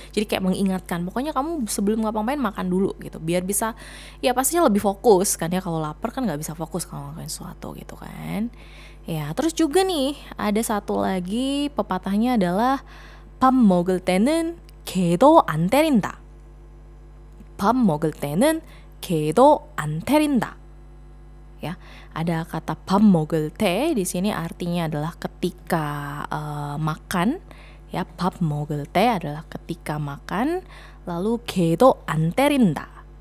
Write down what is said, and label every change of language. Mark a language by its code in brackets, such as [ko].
[id] Jadi kayak mengingatkan, pokoknya kamu sebelum ngapain makan dulu gitu, biar bisa, ya pastinya lebih fokus kan ya, kalau lapar kan gak bisa fokus kalau ngelakuin sesuatu gitu kan. Ya, terus juga nih ada satu lagi pepatahnya adalah [ko] 밥 먹을 때는 개도 안 때린다. 밥 먹을 때는 개도 안 때린다. [id] Ya, ada kata [ko] 밥 먹을 때 [id] di sini artinya adalah ketika makan. Ya, [ko] 밥 먹을 때 [id] adalah ketika makan. [ko] Lalu 개도 안 때린다.